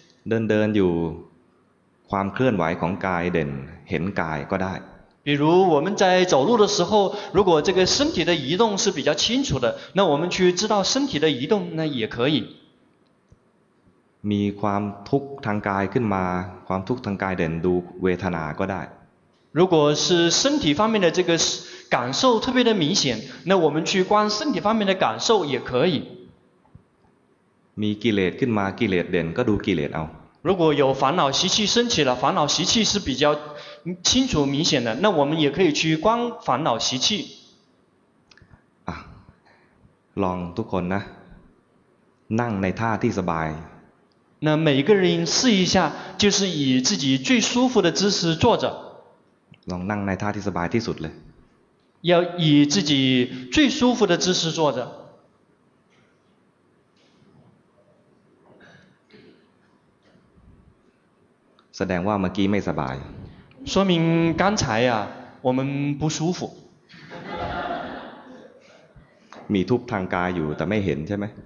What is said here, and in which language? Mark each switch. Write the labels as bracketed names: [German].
[Thai] เดินๆอยู่ความเคลื่อนไหวของกายเด่นเห็นกายก็ได้ [Chinese] 比如我们在走路的时候如果这个身体的移动是比较清楚的那我们去知道身体的移动那也可以 [Thai] มีความทุกข์ทางกายขึ้นมาความทุกข์ทางกายเด่นดูเวทนาก็ได้ [Chinese] 如果是身体方面的这个感受特别的明显那我们去观身体方面的感受也可以 [Thai] มีกิเลสขึ้นมากิเลสเด่นก็ดูกิเลสเอา [Chinese] 如果有烦恼习气升起了烦恼习气是比较清楚明显的那我们也可以去观烦恼习气 [Thai] ลองทุกคนนะนั่งในท่าที่สบาย [Chinese] 那每个人试一下就是以自己最舒服的姿势坐着 [Thai] ลองนั่งในท่าที่สบายที่สุดเลย [Chinese] 要以自己最舒服的姿势坐着 [Thai] แสดงว่าเมื่อกี้ไม่สบาย [Chinese] 说明刚才啊我们不舒服 [Thai] มีทุกข์ทางกายอยู่แต่ไม่เห็นใช่ไหม